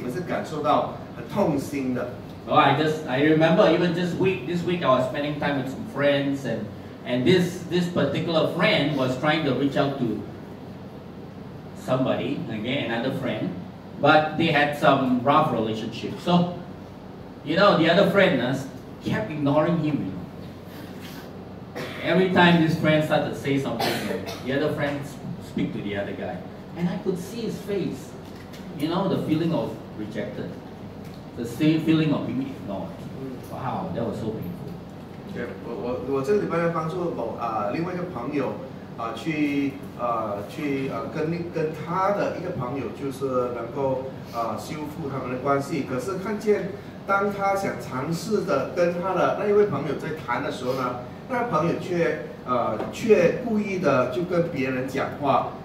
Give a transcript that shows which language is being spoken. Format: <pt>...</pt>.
<zh>当我们被人弃绝的时候，我们心里面是感受到很痛心的。</zh> <en>Well, I remember even this week, I was spending time with some friends, and this particular friend was trying to reach out to somebody, okay, another friend, but they had some rough relationship. So, you know, the other friend kept ignoring him. You know? Every time this friend started to say something, the other friend speak to the other guy. And I could see his face, you know, the feeling of rejected, the same feeling of being ignored. Wow, that was so painful.</en> <zh>Yeah，我这个礼拜帮助另外一个朋友，去跟他的一个朋友就是能够修复他们的关系。可是看见当他想尝试的跟他的那一位朋友在谈的时候呢，那朋友却故意的就跟别人讲话。</zh>